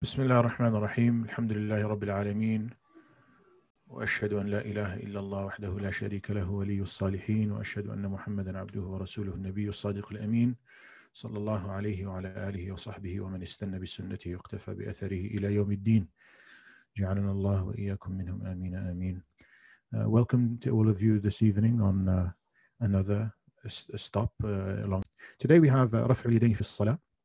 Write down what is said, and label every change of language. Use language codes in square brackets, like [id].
[ar] بسم الله الرحمن الرحيم، الحمد لله رب العالمين، وأشهد أن لا إله إلا الله وحده لا شريك له، ولي الصالحين، وأشهد أن محمدا عبده ورسوله، النبي الصادق الأمين، صلى الله عليه وعلى آله وصحبه ومن استنى بسنته واقتفى بأثره إلى يوم الدين. جعلنا الله وإياكم منهم، آمين آمين. [en] Welcome to all of you this evening on another stop along. Today we have [ar] رفع اليدين في الصلاة.